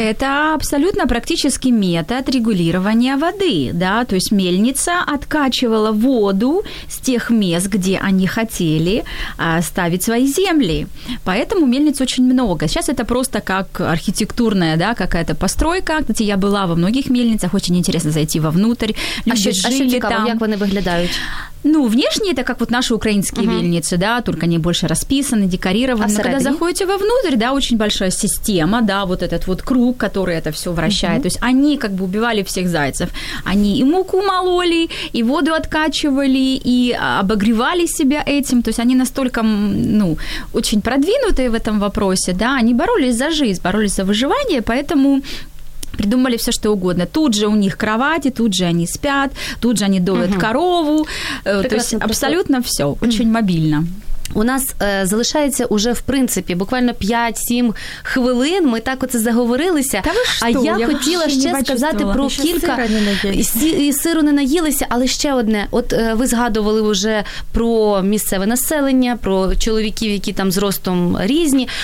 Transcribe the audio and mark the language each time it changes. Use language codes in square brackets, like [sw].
[ru] Это абсолютно практически метод регулирования воды, да? То есть мельница откачивала воду с тех мест, где они хотели ставить свои земли. Поэтому мельниц очень много. Сейчас это просто как архитектурная, да, какая-то постройка. Кстати, я была во многих мельницах. Очень интересно зайти вовнутрь. Внутрь, [uk] люди жили там. А що цікаво, як вони виглядають? Ну, внешні – це як от наші українські мельниці, да, тільки вони більше розписані, декорировані. А всередині? Коли заходите вовнутрь, да, дуже велика система, да, [ru] вот этот вот круг, который это все вращает. То есть они как бы убивали всех зайцев. Они и муку мололи, и воду откачивали, и обогревали себя этим. То есть они настолько, ну, очень продвинутые в этом вопросе, да, они боролись за жизнь, боролись за выживание, поэтому... придумали все, что угодно. Тут же у них кровати, тут же они спят, тут же они доят корову. Прекрасно, то есть просто. Абсолютно все, очень мобильно. [uk] У нас залишається уже, в принципі, буквально 5-7 хвилин. Ми так оце заговорилися. Та ви що? А я хотіла ще сказати про ще кілька... Сира не і сиру не наїлися, але ще одне. От ви згадували вже про місцеве населення, про чоловіків, які там зростом різні.